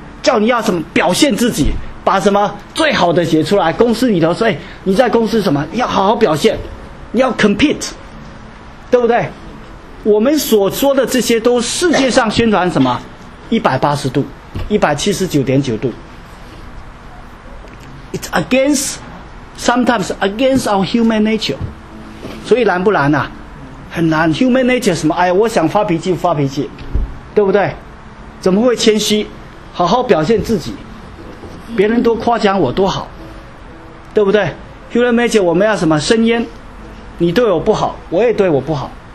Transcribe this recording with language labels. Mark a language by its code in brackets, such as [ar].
[zh] 叫你要什么表现自己，把什么最好的写出来。公司里头说，哎，你在公司什么要好好表现，你要 compete。对不对？我们所说的这些都世界上宣传什么？ 180度，179.9度。 [en] It's against, sometimes against our human nature。 [zh] 所以难不难啊？很难。 [en] human nature [zh] 什么，哎呀我想发脾气发脾气，对不对？怎么会谦虚？好好表现自己，别人多夸奖我多好，对不对？ [en] human nature [zh] 我们要什么深渊，你对我不好我也对我不好。